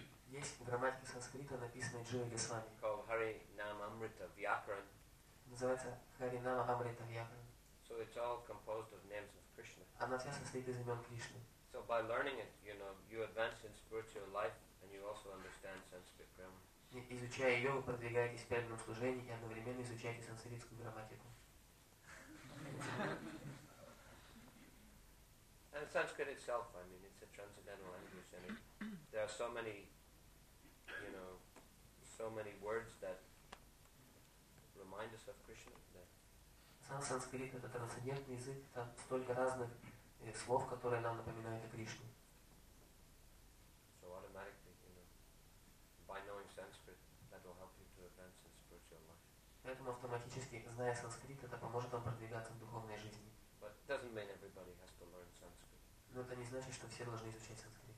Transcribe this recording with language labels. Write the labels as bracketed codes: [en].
[ru] Есть грамматика санскрита, написанная Джива Госвами. [en] Called Hari Nama Amrita Vyakaran. [ru] Называется Hari Nama Amrita Vyakaran. [en] So it's all composed of names of Krishna. [ru] Она вся состоит из имен Кришны. [en] So by learning it, you know, you advance in spiritual life and you also understand Sanskrit grammar. [ru] Изучая ее, вы продвигаетесь в преданном служении и одновременно изучаете санскритскую грамматику. [en] And Sanskrit itself, I mean, it's a transcendental language, and there are so many, you know, so many words that remind us of Krishna. That Sanskrit is a transcendental language. [ru] Там столько разных слов, которые нам напоминают о Кришне. [en] So automatically, you know, by knowing Sanskrit, that will help you to advance in spiritual life. [ru] Поэтому автоматически, зная санскрит, это поможет вам продвигаться в духовной жизни. [en] But it doesn't mean everybody has to learn Sanskrit. [ru] Но это не значит, что все должны изучать санскрит.